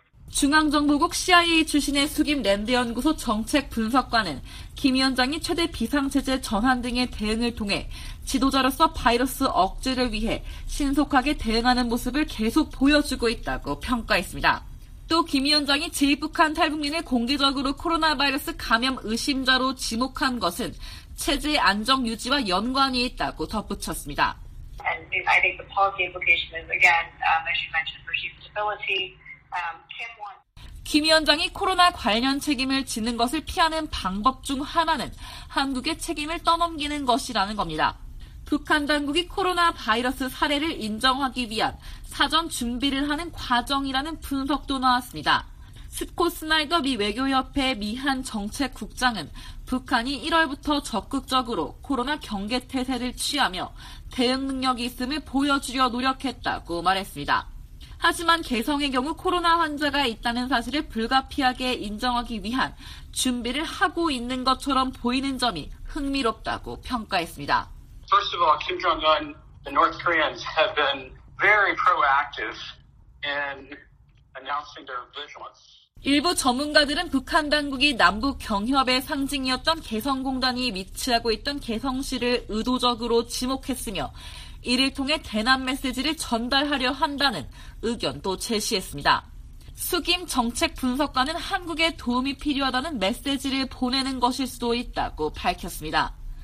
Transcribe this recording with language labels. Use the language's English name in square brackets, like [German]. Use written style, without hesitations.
[Korean] 중앙정보국 CIA 출신의 숙임 랜드 연구소 정책 분석관은 김 위원장이 최대 비상체제 전환 등의 대응을 통해 지도자로서 바이러스 억제를 위해 신속하게 대응하는 모습을 계속 보여주고 있다고 평가했습니다. 또 김 위원장이 제1북한 탈북민을 공개적으로 코로나 바이러스 감염 의심자로 지목한 것은 체제 안정 유지와 연관이 있다고 덧붙였습니다. [English] And I think the policy implication is again, as you mentioned, for stability. [Korean] 김 위원장이 코로나 관련 책임을 지는 것을 피하는 방법 중 하나는 한국의 책임을 떠넘기는 것이라는 겁니다. 북한 당국이 코로나 바이러스 사례를 인정하기 위한 사전 준비를 하는 과정이라는 분석도 나왔습니다. 스콧 스나이더 미 외교협회 미한 정책국장은 북한이 1월부터 적극적으로 코로나 경계태세를 취하며 대응 능력이 있음을 보여주려 노력했다고 말했습니다. 하지만 개성의 경우 코로나 환자가 있다는 사실을 불가피하게 인정하기 위한 준비를 하고 있는 것처럼 보이는 점이 흥미롭다고 평가했습니다. [English] First of all, Kim Jong-un, the North Koreans have been very proactive in announcing their vigilance. [Korean] 일부 전문가들은 북한 당국이 남북 경협의 상징이었던 개성공단이 위치하고 있던 개성시를 의도적으로 지목했으며 이를 통해 대남 메시지를 전달하려 한다는 의견도 제시했습니다. 숙임 정책 분석가는 한국에 도움이 필요하다는 메시지를 보내는 것일 수도 있다고 밝혔습니다.